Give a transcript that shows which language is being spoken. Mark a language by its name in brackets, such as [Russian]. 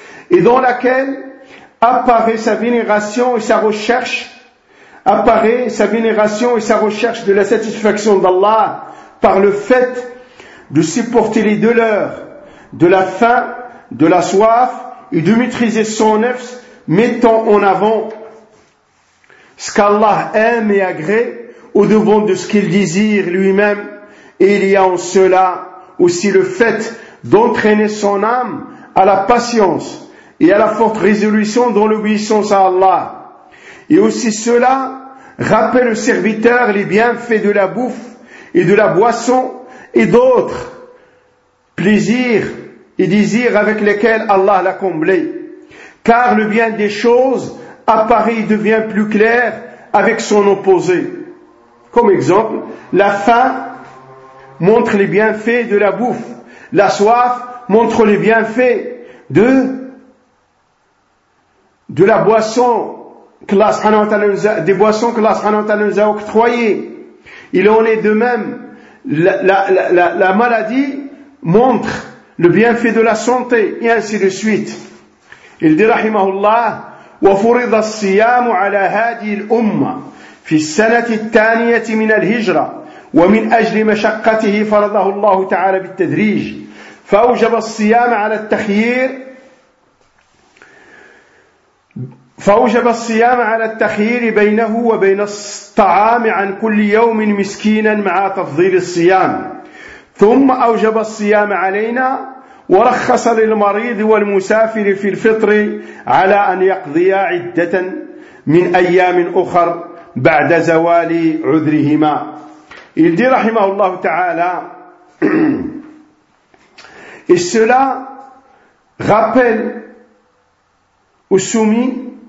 [French] et dans laquelle apparaît sa vénération et sa recherche de la satisfaction d'Allah par le fait de supporter les douleurs, de la faim, de la soif et de maîtriser son nefs, mettant en avant ce qu'Allah aime et agrée au-devant de ce qu'il désire lui-même. Et il y a en cela aussi le fait d'entraîner son âme à la patience et à la forte résolution dans l'obéissance à Allah. Et aussi cela rappelle au serviteur les bienfaits de la bouffe et de la boisson et d'autres plaisirs et désirs avec lesquels Allah l'a comblé. Car le bien des choses apparaît et devient plus clair avec son opposé. Comme exemple, la faim montre les bienfaits de la bouffe, la soif montre les bienfaits de la boisson que Allah subhanahu wa ta'ala nous a octroyées. Il en est de même, la maladie montre le bienfait de la santé, et ainsi de suite. Il dit, rahimahullah, [Arabic] وفرض الصيام على هذه الأمة في السنة الثانية من الهجرة ومن أجل مشقته فرضه الله تعالى بالتدريج فأوجب الصيام على التخيير فأوجب الصيام على التخيير بينه وبين الطعام عن كل يوم مسكينا مع تفضيل الصيام ثم أوجب الصيام علينا ورخص للمريض والمسافر في الفطر على أن يقضي عدة من أيام أخر بعد زوال عذرهما. [French] Il dit, rahimahullah ta'ala, et cela rappelle aux soumis